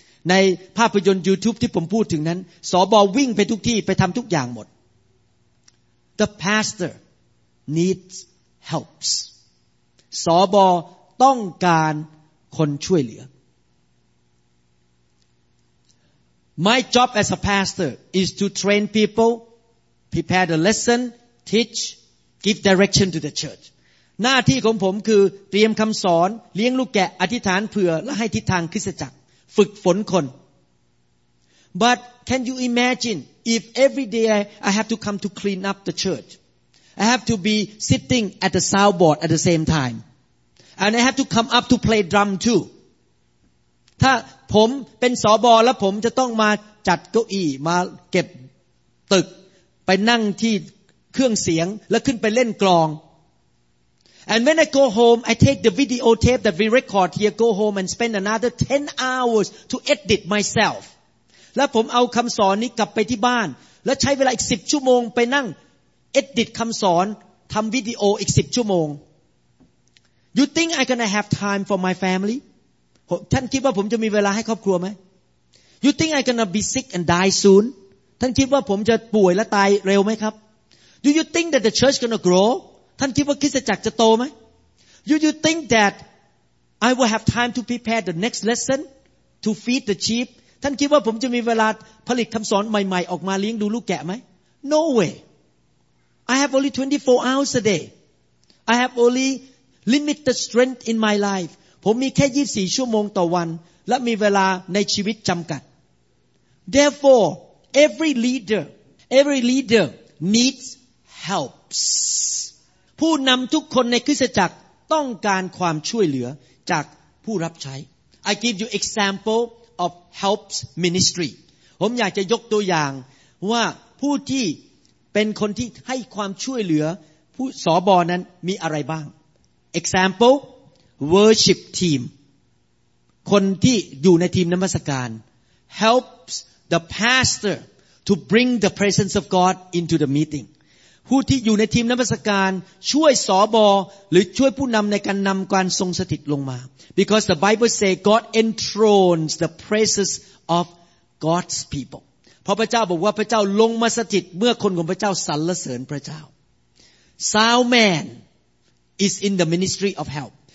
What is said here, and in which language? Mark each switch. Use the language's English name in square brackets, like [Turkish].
[Thai] ในภาพยนตร์ YouTube ที่ผมพูดถึงนั้นสบวิ่งไปทุกที่ไปทำทุกอย่างหมด [English] The pastor needs helps. [Thai] สบต้องการคนช่วยเหลือ [English] My job as a pastor is to train people. Prepare the lesson, teach, give direction to the church. [Thai] หน้าที่ของผมคือเตรียมคำสอนเลี้ยงลูกแกะอธิษฐานเผื่อและให้ทิศทางคริสตจักรฝึกฝนคน [English] But can you imagine if every day I have to come to clean up the church? I have to be sitting at the soundboard at the same time. And I have to come up to play drum too. [Thai] ถ้าผมเป็นสบแล้วผมจะต้องมาจัดเก้าอี้มาเก็บตึกไปนั่งที่เครื่องเสียงแล้วขึ้นไปเล่นกลอง [English] And when I go home I take the videotape that we record here go home and spend another 10 hours to edit myself [Thai] แล้วผมเอาคำสอนนี้กลับไปที่บ้านแล้วใช้เวลาอีก10ชั่วโมงไปนั่ง edit คำสอนทำวิดีโออีก10ชั่วโมง [English] You think I gonna have time for my family [Thai] ท่านคิดว่าผมจะมีเวลาให้ครอบครัวไหม [English] You think I gonna be sick and die soon [Thai] ท่านคิดว่าผมจะป่วยและตายเร็วไหมครับ [English] Do you think that the church gonna grow? [Thai] ท่านคิดว่าคริสตจักรจะโตไหม [English] Do you think that I will have time to prepare the next lesson to feed the sheep? [Thai] ท่านคิดว่าผมจะมีเวลาผลิตคำสอนใหม่ๆออกมาเลี้ยงดูลูกแกะไหม [English] No way. I have only 24 hours a day. I have only limited strength in my life. [Thai] ผมมีแค่24ชั่วโมงต่อวันและมีเวลาในชีวิตจำกัด [English] Therefore,Every leader needs helps. [Thai] ผู้นำทุกคนในคริสตจักรต้องการความช่วยเหลือจากผู้รับใช้ [English] I give you example of helps ministry. [Thai] ผมอยากจะยกตัวอย่างว่าผู้ที่เป็นคนที่ให้ความช่วยเหลือผู้สบนั้นมีอะไรบ้าง Example worship team. คนที่อยู่ในทีมนมัสการ [English] helpsThe pastor to bring the presence of God into the meeting. [Thai] ผู้ที่อยู่ในทีมนมัสการช่วยสบหรือช่วยผู้นำในการนำการทรงสถิตลงมา [English] Because the Bible says God enthrones the praises of God's people. [Thai] เพราะพระเจ้าบอกว่าพระเจ้าลงมาสถิตเมื่อคนของพระเจ้าสรรเสริญพระเจ้า [English] Sound man is in the ministry of help.